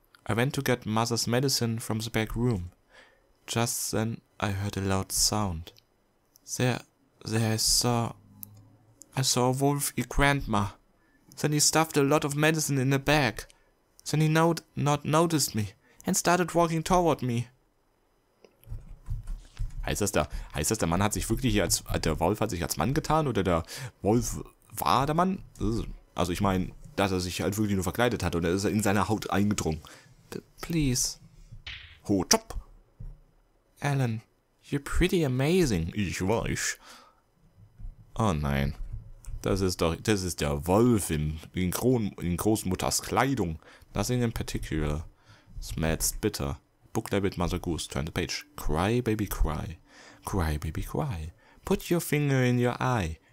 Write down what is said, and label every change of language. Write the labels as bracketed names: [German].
[English] I went to get Mother's medicine from the back room. Just then I heard a loud sound. I saw a wolf eat Grandma. Then he stuffed a lot of medicine in a bag. Then he not noticed me, and started walking toward me. [German] Heißt das, der Mann hat sich wirklich hier als, der Wolf hat sich als Mann getan oder der Wolf war der Mann? Also ich meine, dass er sich halt wirklich nur verkleidet hat und er ist in seine Haut eingedrungen. [English] Please. Ho, chop! Alan, you're pretty amazing. [German] Ich weiß. Oh nein, das ist der Wolf in Großmutters Kleidung. [English] Nothing in particular. Smells bitter. Booklet with Mother Goose, turn the page. Cry, baby, cry. Cry, baby, cry. Put your finger in your eye.